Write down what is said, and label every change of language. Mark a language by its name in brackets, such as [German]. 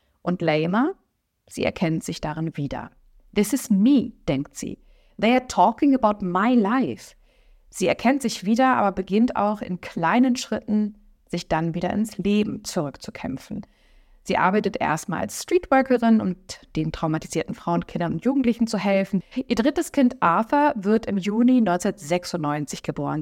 [German] Und Leyma, sie erkennt sich darin wieder. [English] This is me, [German] denkt sie. [English] They are talking about my life. [German] Sie erkennt sich wieder, aber beginnt auch in kleinen Schritten, sich dann wieder ins Leben zurückzukämpfen. Sie arbeitet erstmal als Streetworkerin, um den traumatisierten Frauen, Kindern und Jugendlichen zu helfen. Ihr drittes Kind Arthur wird im Juni 1996 geboren.